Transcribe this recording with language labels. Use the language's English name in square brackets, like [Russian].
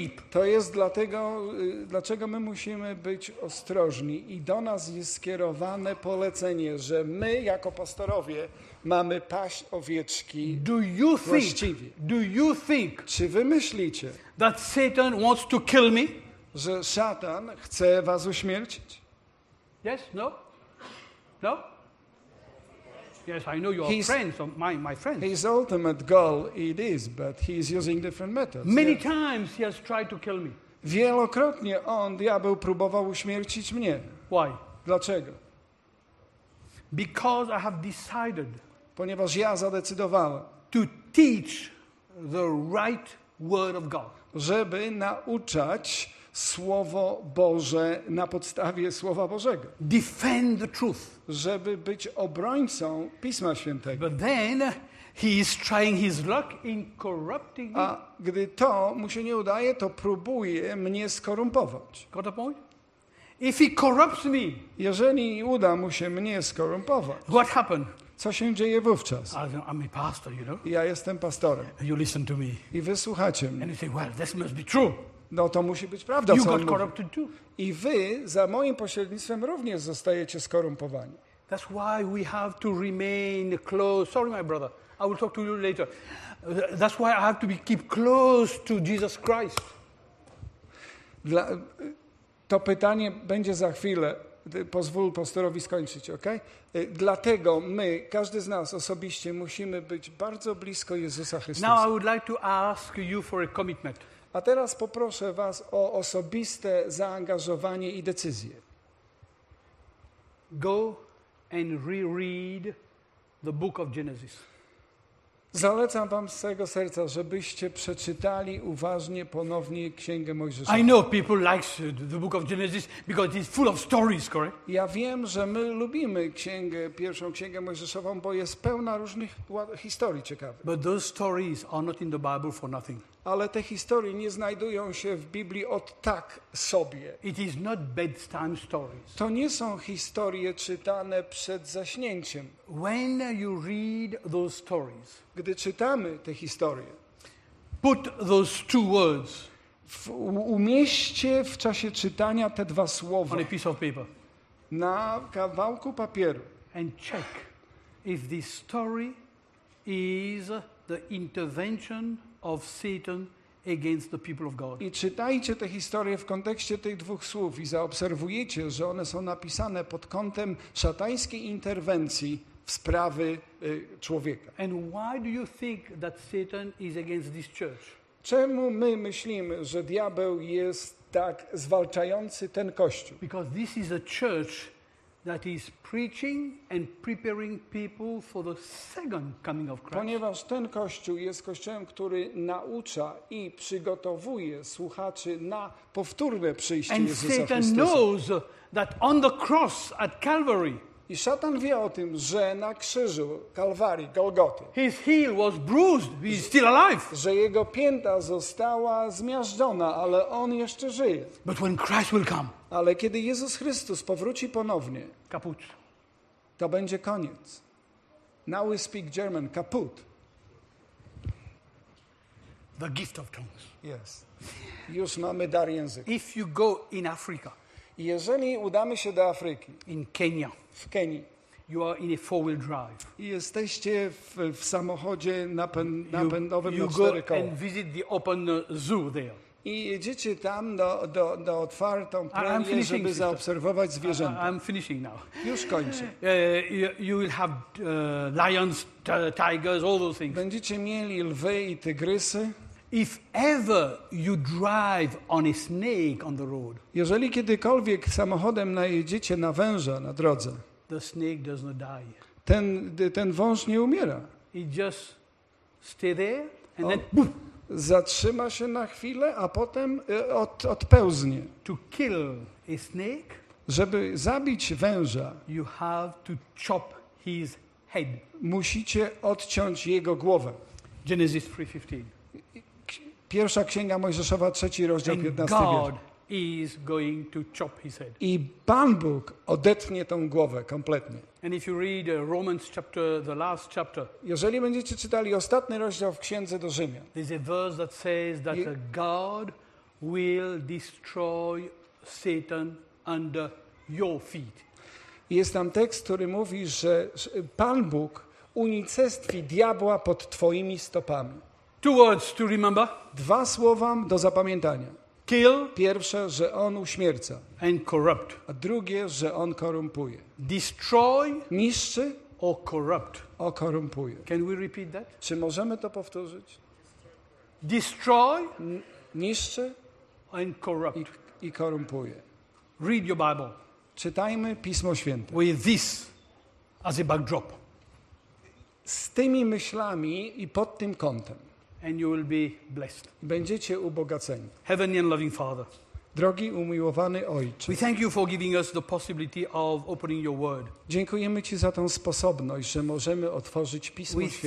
[Polish] To jest dlatego, dlaczego my musimy być ostrożni i do nas jest skierowane polecenie, że my jako pastorowie mamy paść owieczki. [English] Do you think? [Polish] Czy wy myślicie, [English] that Satan wants to kill me? [Polish] Że szatan chce was uśmiercić? [English] Yes, no? No? Yes, I know your friends, my friends. His ultimate goal it is, but he is using different methods. Many times he has tried to kill me. [Polish] Wielokrotnie on, diabeł, próbował uśmiercić mnie. [English] Why? [Polish] Dlaczego? [English] Because I have decided. [Polish] Ponieważ ja zadecydowałem, [English] to teach the right word of God. [Polish] Żeby nauczać Słowo Boże na podstawie Słowa Bożego. [English] Defend the truth. [Polish] Żeby być obrońcą Pisma Świętego. [English] But then he is trying his luck in corrupting me. [Polish] A gdy to mu się nie udaje, to próbuje mnie skorumpować. [English] Got the point? If he corrupts me, [Polish] jeżeli uda mu się mnie skorumpować, [English] what happened? [Polish] Co się dzieje wówczas? [English] I'm a pastor, you know? [Polish] Ja jestem pastorem. [English] You listen to me. [Polish] I wy słuchacie mnie. [English] And you say, well, this must be true. [Polish] No to musi być prawda, co on mówi. [English] You got corrupted too. [Polish] I wy za moim pośrednictwem również zostajecie skorumpowani. [English] That's why we have to remain close. Sorry, my brother. I will talk to you later. That's why I have to keep close to Jesus Christ. [Polish] To pytanie będzie za chwilę. Pozwól pastorowi skończyć, okej? Okay? Dlatego my, każdy z nas osobiście, musimy być bardzo blisko Jezusa Chrystusa. [English] Now I would like to ask you for a commitment. [Polish] A teraz poproszę was o osobiste zaangażowanie i decyzję. [English] Go and reread the book of Genesis. [Polish] Zalecam wam z całego serca, żebyście przeczytali uważnie ponownie Księgę Mojżesza. [English] I know people like the book of Genesis because it's full of stories, correct? [Polish] Ja wiem, że my lubimy pierwszą Księgę Mojżeszową, bo jest pełna różnych historii ciekawych. [English] But those stories are not in the Bible for nothing. [Polish] Ale te historie nie znajdują się w Biblii od tak sobie. [English] It is not bedtime stories. [Polish] To nie są historie czytane przed zaśnięciem. [English] When you read those stories, [Polish] gdy czytamy te historie, [English] put those two words, [Polish] umieśćcie w czasie czytania te dwa słowa [English] on a piece of paper, [Polish] na kawałku papieru, [English] and check if this story is the intervention of Satan against the people of God. [Polish] I czytajcie tę historię w kontekście tych dwóch słów i zaobserwujecie, że one są napisane pod kątem szatańskiej interwencji w sprawy człowieka. [English] And why do you think that Satan is against this church? [Polish] Czemu my myślimy, że diabeł jest tak zwalczający ten kościół? [English] Because this is a church that is preaching and preparing people for the second coming of Christ. [Polish] Ponieważ ten kościół jest kościołem, który naucza i przygotowuje słuchaczy na powtórne przyjście [English] and [Polish] Jezusa [English] Satan [Polish] Chrystusa. [English] Knows that on the cross at Calvary. [Polish] I szatan wie o tym, że na krzyżu Kalwarii, Golgoty. [English] His heel was bruised, he's still alive. [Polish] Że jego pięta została zmiażdżona, ale on jeszcze żyje. [English] But when Christ will come. [Polish] Ale kiedy Jezus Chrystus powróci ponownie, [German] kaput. [Polish] To będzie koniec. [English] Now we speak German, kaput. The gift of tongues. Yes. [Polish] Już mamy dar języka. [English] If you go in Africa. [Polish] Jeżeli udamy się do Afryki, [English] in Kenya. [Polish] W Kenii. [English] You are in a four-wheel drive. [Polish] Jesteście w samochodzie napędowym na cztery koła. [English] You go and visit the open zoo there. [Polish] I jedziecie tam do otwartą pralnię, żeby zaobserwować zwierzęta. [English] I'm finishing now. [Polish] Już kończę. [English] You will have lions, tigers, all those things. [Polish] Będziecie mieli lwy i tygrysy. [English] If ever you drive on a snake on the road. [Polish] Jeżeli kiedykolwiek samochodem najedziecie na węża na drodze. [English] The snake does not die. [Polish] Ten wąż nie umiera. [English] He just stay there and then boom. [Polish] Zatrzyma się na chwilę, a potem odpełznie. [English] To kill a snake, [Polish] żeby zabić węża, [English] you have to chop his head. [Polish] Musicie odciąć jego głowę. [English] Genesis 3:15. [Polish] Pierwsza księga Mojżeszowa, 3 rozdział, 15 wiersz. [English] God is going to chop his head. [Polish] I Pan Bóg odetnie tą głowę kompletnie. [English] And if you read Romans chapter, the last chapter. [Polish] Jeżeli będziecie czytali ostatni rozdział w Księdze do Rzymian. [English] There's a verse that says that God will destroy Satan under your feet. [Polish] Jest tam tekst, który mówi, że Pan Bóg unicestwi diabła pod twoimi stopami. [English] Two words to remember. [Polish] Dwa słowa do zapamiętania. [English] Kill. [Polish] Pierwsze, że on uśmierca. [English] And corrupt. [Polish] A drugie, że on korumpuje. [English] Destroy. [Polish] Niszczy. [English] Or corrupt. [Polish] O korumpuje. [English] Can we repeat that? [Polish] Czy możemy to powtórzyć? [English] Destroy. [Polish] Niszczy. [English] And corrupt. [Polish] I korumpuje. [English] Read your Bible. [Polish] Czytajmy Pismo Święte. [English] With this as a backdrop. [Polish] Z tymi myślami i pod tym kątem. [English] And you will be blessed. [Polish] Będziecie ubogaceni. [English] Heavenly and loving Father. [Polish] Drogi umiłowany Ojcze. [English] We thank you for giving us the possibility of opening your word. [Polish] Dziękujemy Ci za tę sposobność, że możemy otworzyć Pismo Święte.